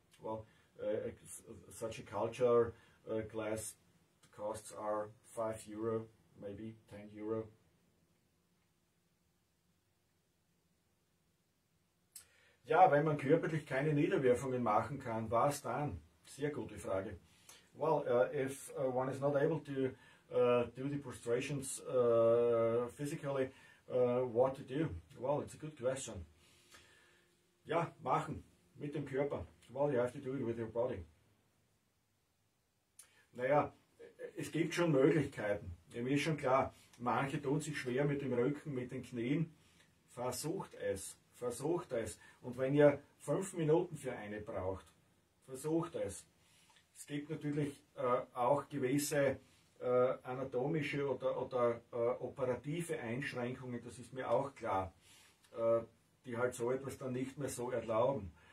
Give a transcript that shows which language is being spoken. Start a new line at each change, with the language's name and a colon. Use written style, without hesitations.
English: Well, such a culture glass, the costs are 5 Euro, maybe 10 Euro.
German: Ja, wenn man körperlich keine Niederwerfungen machen kann, was dann? Sehr gute Frage.
English: Well, if one is not able to do the prostrations physically, what to do? Well, it's a good question.
German: Ja, machen, mit dem Körper.
English: Well, you have to do it with your body.
German: Naja, es gibt schon Möglichkeiten. Mir ist schon klar, manche tun sich schwer mit dem Rücken, mit den Knien. Versucht es. Und wenn ihr 5 Minuten für eine braucht, versucht es. Es gibt natürlich auch gewisse anatomische oder operative Einschränkungen, das ist mir auch klar, die halt so etwas dann nicht mehr so erlauben.